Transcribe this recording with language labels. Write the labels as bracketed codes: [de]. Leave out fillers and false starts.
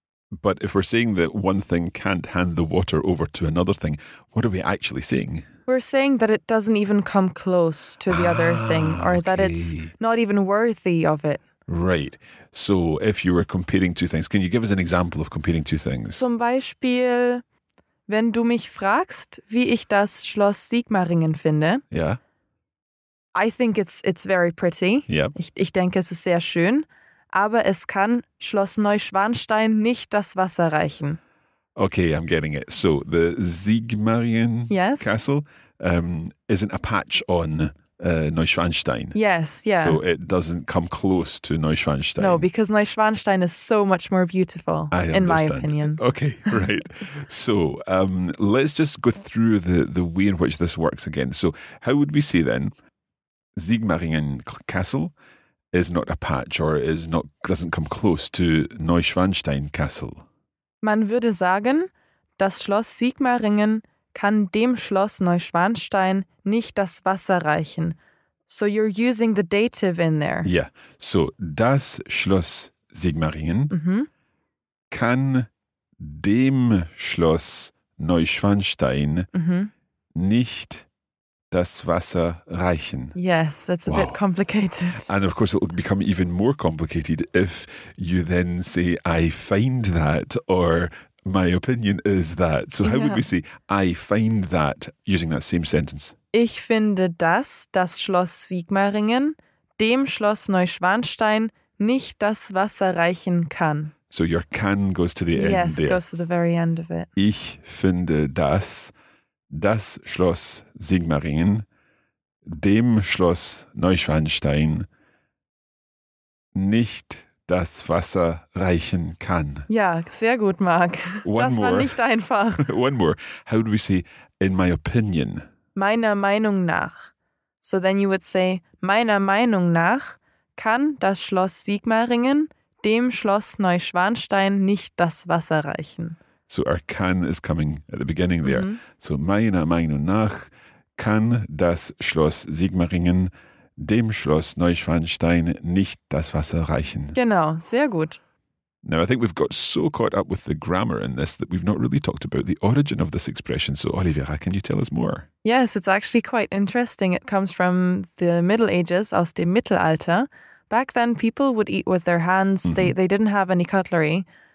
[en] But if we're saying that one thing can't hand the water over to another thing, what are we actually saying? We're saying that it doesn't even come close to the other thing or okay. That it's not even worthy of it. Right. So if you were comparing two things, can you give us an example of comparing two things? [de] Zum Beispiel, wenn du mich fragst, wie ich das Schloss Sigmaringen finde. Ja. [en] I think it's very pretty. Yep. [de] Ich denke, es ist sehr schön. Aber es kann Schloss Neuschwanstein nicht das Wasser reichen. [en] Okay, I'm getting it. So, the Sigmaringen yes. Castle isn't a patch on Neuschwanstein. Yes, yeah. So it doesn't come close to Neuschwanstein. No, because Neuschwanstein is so much more beautiful, in my opinion. Okay, right. So let's just go through the way in which this works again. So how would we say then, Sigmaringen Castle is not a patch or doesn't come close to Neuschwanstein Castle. [de] Man würde sagen, das Schloss Sigmaringen kann dem Schloss Neuschwanstein nicht das Wasser reichen. [en] So you're using the dative in there. [de] Yeah. So das Schloss Sigmaringen mm-hmm. kann dem Schloss Neuschwanstein mm-hmm. nicht das Wasser reichen. [en] Yes, that's a bit complicated. And of course, it'll become even more complicated if you then say, I find that, or my opinion is that. So how would we say, I find that, using that same sentence? [de] Ich finde das, das Schloss Sigmaringen, dem Schloss Neuschwanstein, nicht das Wasser reichen kann. [en] So your can goes to the end there. Yes, it goes to the very end of it. [de] Ich finde das, das Schloss Sigmaringen, dem Schloss Neuschwanstein, nicht das Wasser reichen kann. Ja, sehr gut, Marc. Das war nicht einfach. [en] One more. How do we say, in my opinion? [de] Meiner Meinung nach. [en] So then you would say, [de] meiner Meinung nach kann das Schloss Sigmaringen dem Schloss Neuschwanstein nicht das Wasser reichen. [en] So our can is coming at the beginning there. Mm-hmm. [de] So meiner Meinung nach kann das Schloss Sigmaringen dem Schloss Neuschwanstein nicht das Wasser reichen. Genau, sehr gut. [en] Now I think we've got so caught up with the grammar in this that we've not really talked about the origin of this expression. So Olivera, can you tell us more? Yes, it's actually quite interesting. It comes from the Middle Ages, [de] aus dem Mittelalter. [en] Back then, people would eat with their hands. Mm-hmm. They didn't have any cutlery.